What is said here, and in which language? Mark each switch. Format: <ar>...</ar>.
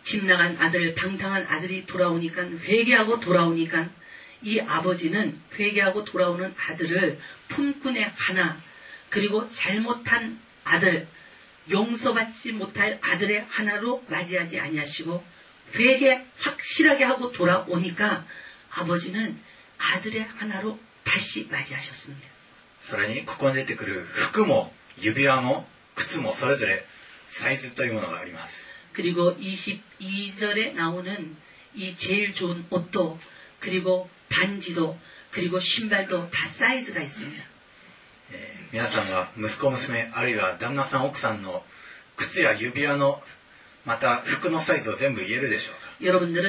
<ko>이집나간아들방탕한아들이돌아오니까회개하고돌아오니까이아버지는회개하고돌아오는아들을품꾼의하나그리고잘못한아들용서받지못할아들의하나로맞이하지아니하시고회개확실하게하고돌아오니까아버지는아들의하나로다시맞이하셨습니다</ko> <ja>さらにここに出てくる服も指輪も靴もそれぞれサイズというものがあります</ja> <ko>그리고22절에나오는이제일좋은옷도그리고반지도그리고신발도다사이즈가있습니다</ko> <ja>皆さんは息子娘あるいは旦那さん奥さんの靴や指輪のまた服のサイズを全部言えるでしょうか</ja>